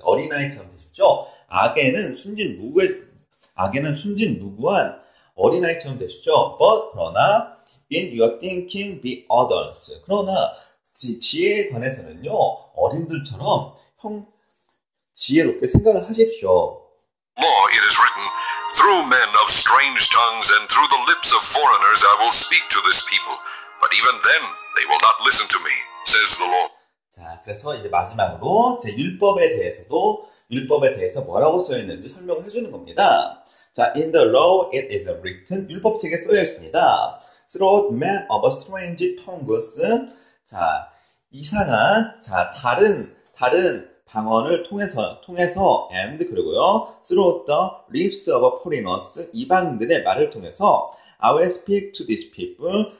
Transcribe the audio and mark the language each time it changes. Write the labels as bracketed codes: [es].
[ko] 어린아이처럼 되십시오. 악에는 순진무구한 어린아이처럼 되십시오. [en] But, [ko] 그러나, [en] in your thinking, be adults. [ko] 그러나, 지혜에 관해서는요, 어른들처럼 지혜롭게 생각을 하십시오. [en] More, it is written, through men of strange tongues and through the lips of foreigners I will speak to this people, but even then they will not listen to me, says the Lord. [ko] 자, 그래서 이제 마지막으로 제 율법에 대해서 뭐라고 써 있는지 설명을 해주는 겁니다. [en] 자, in the law it is written, [ko] 율법책에 써여 있습니다. [en] Through men of strange tongues, [ko] 자, 이상한, 자, 다른 방언을 통해서, [en] and [ko] 그리고요, [en] through the lips of foreigners, [ko] 이방인들의 말을 통해서, [en] I will speak to these people.